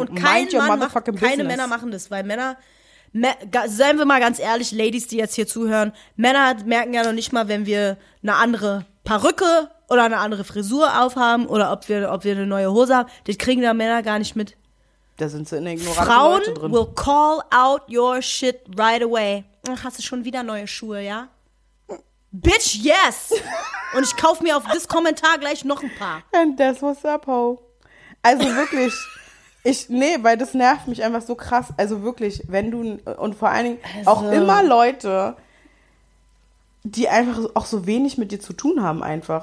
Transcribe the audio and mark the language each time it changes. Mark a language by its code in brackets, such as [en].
[de] Und kein Mind Mann macht, keine business. Männer machen das, weil Männer, seien wir mal ganz ehrlich, Ladies, die jetzt hier zuhören, Männer merken ja noch nicht mal, wenn wir eine andere Perücke oder eine andere Frisur aufhaben oder ob wir eine neue Hose haben. Das kriegen ja Männer gar nicht mit. Da sind sie in der ignoranten Frauen Leute drin. [en] Will call out your shit right away. [de] Ach, hast du schon wieder neue Schuhe, ja? [en] Bitch, yes! [de] Und ich kaufe mir auf das Kommentar gleich noch ein paar. [en] And that's what's up, ho. [de] Also wirklich, weil das nervt mich einfach so krass. Also wirklich, wenn du, und vor allen Dingen auch immer Leute, die einfach auch so wenig mit dir zu tun haben einfach.